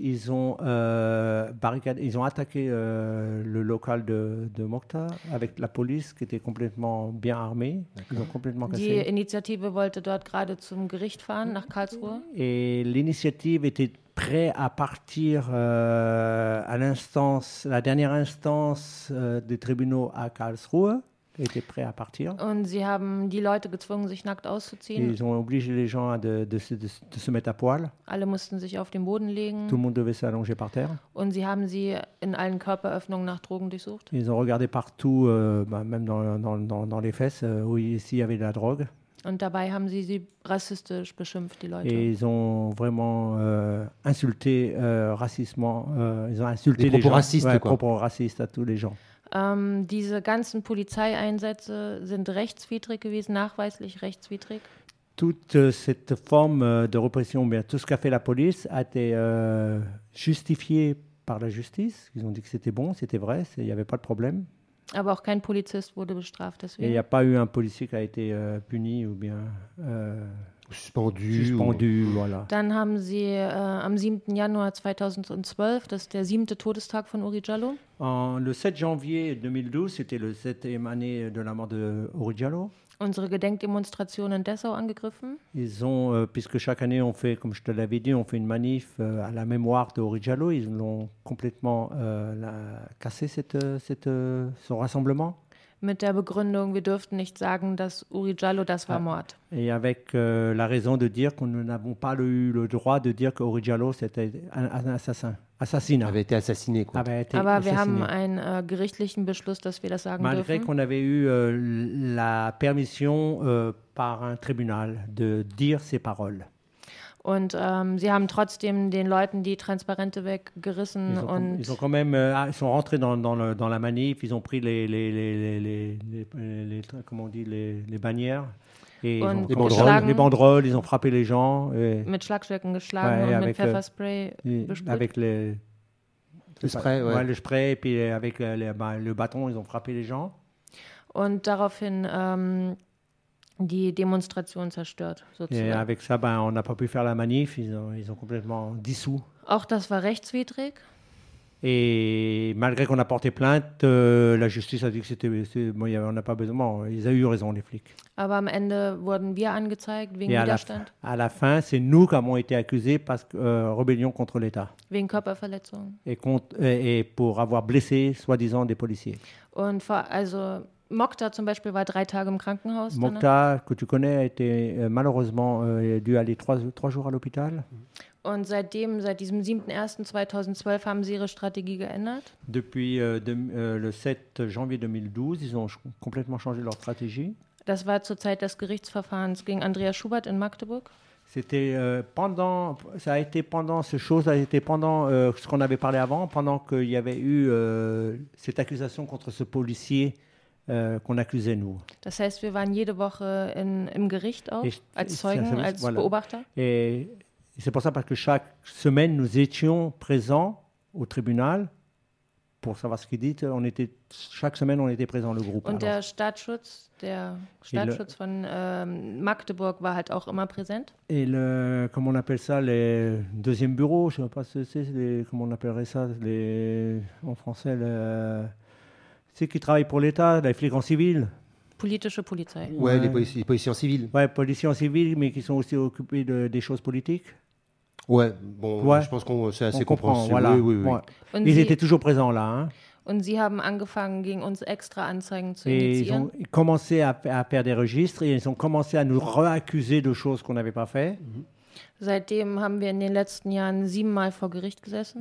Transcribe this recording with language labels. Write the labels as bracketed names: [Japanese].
[French] En 2009, ils ont attaqué le local de Mokhtar avec la police qui était complètement bien armée. Ils ont complètement cassé. [German] Die Initiative wollte dort gerade zum Gericht fahren nach Karlsruhe. [French] Et l'initiative était prêt à partir à l'instance, la dernière instance des tribunaux à Karlsruhe. Était prêt à partir. [German] Und sie haben die Leute gezwungen, sich nackt auszuziehen. [French] Ils ont obligé les gens de se mettre à poil. [German] Alle mussten sich auf den Boden legen. [French] Tout le monde devait s'allonger par terre. [German] Und sie haben sie in allen Körperöffnungen nach Drogen durchsucht. [French] Ils ont regardé partout, même dans les fesses, où s'il y avait de la drogue. [German] Und dabei haben sie sie rassistisch beschimpft, die Leute. [French] Et ils ont vraiment insulté racistement. Ils ont insulté les propos racistes, ouais, quoi. Propos racistes à tous les gens. [German] Diese ganzen Polizeieinsätze sind rechtswidrig gewesen, nachweislich rechtswidrig. [French] Toute cette forme de repression, bien tout ce qu'a fait la police, a été justifié par la justice. Ils ont dit que c'était bon, c'était vrai, il n'y avait pas de problème. Aber auch kein Polizist wurde bestraft deswegen. Il n'y a pas eu un policier qui a été puni ou bien suspendu, voilà. [German] Dann haben sie am 7. Januar 2012, das ist der siebte Todestag von Uri Jalloh. [French] Le 7 janvier 2012, c'était le 7e année de la mort de Uri Jalloh. [German] Unsere Gedenkdemonstration in Dessau angegriffen. [French] Ils ont, puisque chaque année on fait, comme je te l'avais dit, on fait une manif à la mémoire de Uri Jalloh, ils l'ont complètement cassé ce rassemblement. [German] Mit der Begründung, wir dürften nicht sagen, dass Uri Jalloh, das war Mord. [French] Et avec la raison de dire que nous n'avons pas eu le droit de dire que Uri Jalloh, c'était un assassin. Assassiner. Avait été assassiné, quoi. [German] Aber [French] assassiné. [German] Wir haben einen gerichtlichen Beschluss, dass wir das sagen [French] Malgré [German] dürfen. [French] Malgré qu'on avait eu la permission par un tribunal de dire ces paroles. [German] Und sie haben trotzdem den Leuten die Transparente weggerissen und [French] ils ont quand même ils sont rentrés dans la manif, ils ont pris les comment on dit les bannières et ils ont les banderoles, ils ont frappé les gens [German] mit Schlagstöcken geschlagen, ouais, und avec mit Pfefferspray besprüht. [French] Avec le spray, ouais. Ouais, le spray et puis avec le bâton, ils ont frappé les gens. [German] Und daraufhin die Demonstration zerstört, sozusagen. [French] Et avec ça, ben, on n'a pas pu faire la manif, ils ont complètement dissous. [German] Auch das war rechtswidrig. [French] Et malgré qu'on a porté plainte, la justice a dit que c'était bon, y avait, on n'a pas besoin, bon, ils ont eu raison, les flics. [German] Aber am Ende wurden wir angezeigt wegen Widerstand. [French] À la fin, c'est nous qui avons été accusés parce que rébellion contre l'État. [German] Wegen Körperverletzung. [French] Et pour avoir blessé, soi-disant, des policiers. [German] Und also Mokhtar zum Beispiel war 3 Tage im Krankenhaus. [French] Mokhtar, que tu connais, a été malheureusement dû aller 3 jours à l'hôpital. [German] Und seit diesem 7.1.2012 haben sie ihre Strategie geändert. [French] Depuis le 7 janvier 2012, ils ont complètement changé leur stratégie. [German] Das war zur Zeit des Gerichtsverfahrens gegen Andreas Schubert in Magdeburg. [French] C'était pendant ce qu'on avait parlé avant, pendant qu'il y avait eu cette accusation contre ce policier. Qu'on accusait nous. [German] Das heißt, wir waren jede Woche im Gericht auch, als Zeugen, als [French] voilà. [German] Beobachter. [French] Et c'est pour ça parce que chaque semaine nous étions présents au tribunal pour savoir ce qu'il dit. On était chaque semaine, on était présents le groupe. [German] Und alors, der Staatsschutz von Magdeburg war halt auch immer présent. [French] Et le, comment on appelle ça, les deuxième bureau, je ne sais pas ce que c'est, comment on appellerait ça, en français le. Ceux qui travaillent pour l'État, les flics en civil. [German] Politische Polizei. [French] Ouais, ouais. Les policiers en civil. Ouais, policiers en civil, mais qui sont aussi occupés des choses politiques. Ouais, bon, ouais. Je pense que c'est assez compréhensible. Voilà. Oui, oui, oui. Ouais. Ils étaient toujours présents là. Hein. [German] Und sie haben angefangen, gegen uns extra Anzeigen zu indizieren. [French] Ils ont commencé à faire des registres et ils ont commencé à nous réaccuser de choses qu'on n'avait pas fait. [German] Seitdem haben wir in den letzten Jahren 7 Mal vor Gericht gesessen.